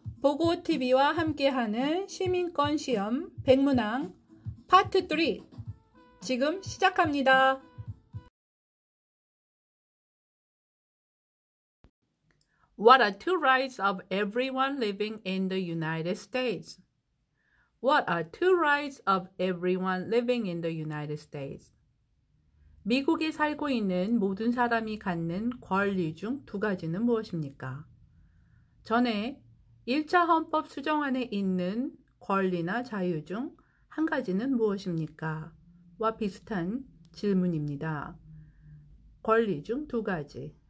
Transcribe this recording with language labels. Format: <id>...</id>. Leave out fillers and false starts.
<ko>보고TV와 함께하는 시민권시험 백문왕 파트 3 지금 시작합니다.</ko> <en>What are two rights of everyone living in the United States? What are two rights of everyone living in the United States?</en> <ko>미국에 살고 있는 모든 사람이 갖는 권리 중 두 가지는 무엇입니까? 전에 1차 헌법 수정안에 있는 권리나 자유 중 한 가지는 무엇입니까? 와 비슷한 질문입니다. 권리 중 두 가지.</ko>